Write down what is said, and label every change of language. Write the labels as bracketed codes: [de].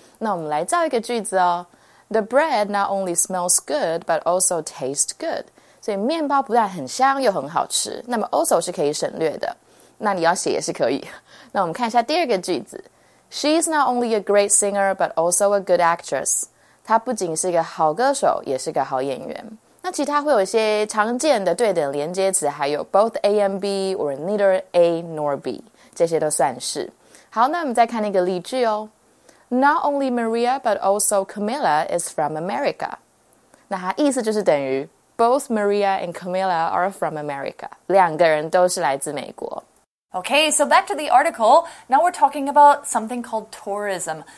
[zh] 那我们来造一个句子哦。 [en] The bread not only smells good but also tastes good， [zh] 所以面包不但很香又很好吃，那么 also 是可以省略的，那你要写也是可以。那我们看一下第二个句子。 [en] She's not only a great singer, but also a good actress. [zh] 她不仅是个好歌手，也是个好演员。那其他会有一些常见的对等连接词，还有 [en] both A and B, or neither A nor B, [zh] 这些都算是。好，那我们再看一个例句哦。 [en] Not only Maria, but also Camilla is from America. [zh] 那它意思就是等于 [en] both Maria and Camilla are from America. [zh] 两个人都是来自美国。 [en] Okay, so back to the article. Now we're talking about something called tourism.